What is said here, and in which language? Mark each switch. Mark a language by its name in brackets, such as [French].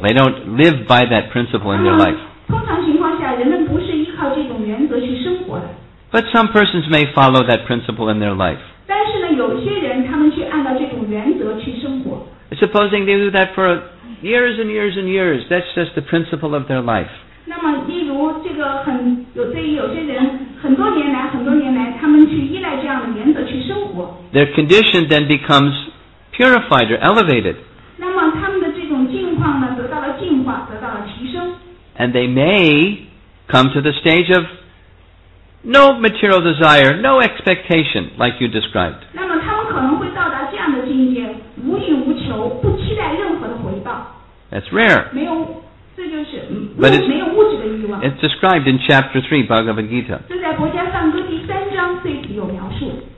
[English] They don't live by that principle in their life. [Chinese] 通常情况下，人们不是依靠这种原则去生活的。 [English] But some persons may follow that principle in their life. [Chinese] 但是呢，有些人他们去按照这种原则去生活。 [English] Supposing they do that for years and years and years, that's just the principle of their life. [Chinese] 那么，例如这个有些人很多年来，他们去依赖这样的原则去生活。 [English] Their condition then becomes purified or elevated. [Chinese] 那么他们的这种境况呢，得到了净化，得到了提升。 [English] And they may come to the stage of no material desire, no expectation, like you described. [Chinese] 那么他们可能会到达这样的境界。无欲无求，不期待任何的回报。 [English] That's rare. [Chinese] 没有，这就是没有物质的欲望。 [English] It's described in chapter 3, Bhagavad Gita. [Chinese] 这在《薄伽梵歌》第三章最有描述。